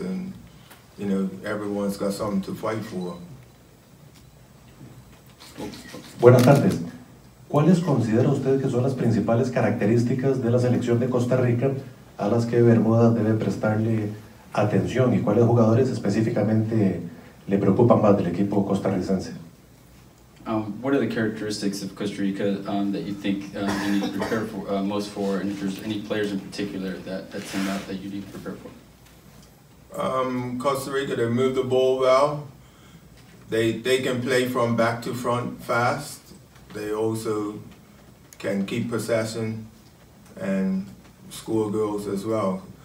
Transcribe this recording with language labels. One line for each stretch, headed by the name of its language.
English: And, you know, everyone's got something to fight for.
Spanish: Buenas tardes. ¿Cuáles considera usted que son las principales características de la selección de Costa Rica a las que Bermuda debe prestarle atención y cuáles jugadores específicamente le preocupan más del equipo costarricense?
English: What are the characteristics of Costa Rica that you think you need to prepare for most for, and if there's any players in particular that stand out that you need to prepare for? Costa Rica, they move the ball well. They can play from back to front fast. They also can keep possession and score goals as well.